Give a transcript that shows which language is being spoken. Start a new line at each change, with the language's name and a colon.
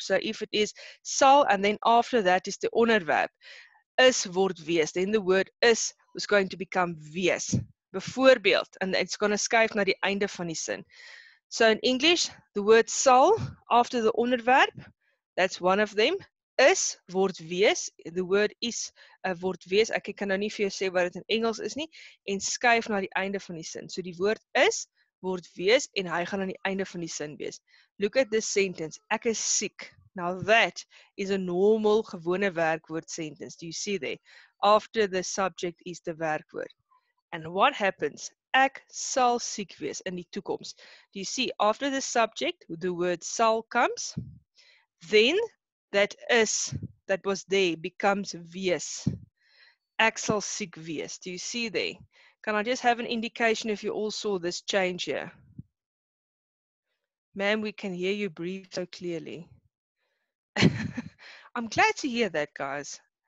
English: So if it is sal, and then after that is the onderwerp,
Afrikaans: is word wees,
English: then the word is going to become wees. Bijvoorbeeld, and it's going to
Afrikaans: skuif na die einde van die sin.
English: So in English, the word sal after the onderwerp, that's one of them. is word wees. The word is word wees.
Afrikaans: Ek kan nou nie vir jou sê wat dit in Engels is nie. En skuif na die einde van die sin. So die woord is word wees en hy gaan aan die einde van die sin wees.
English: Look at this sentence.
Afrikaans: Ek is siek.
English: Now that is a normal gewone werkwoord sentence. Do you see there? After the subject is the werkwoord. And what happens?
Afrikaans: Ek sal siek wees in die toekoms.
English: Do you see? After the subject, the word sal comes. Then that is, that was there, becomes wees.
Afrikaans: Ek sal siek wees.
English: Do you see there? Can I just have an indication if you all saw this change here? Ma'am, we can hear you breathe so clearly. I'm glad to hear that, guys.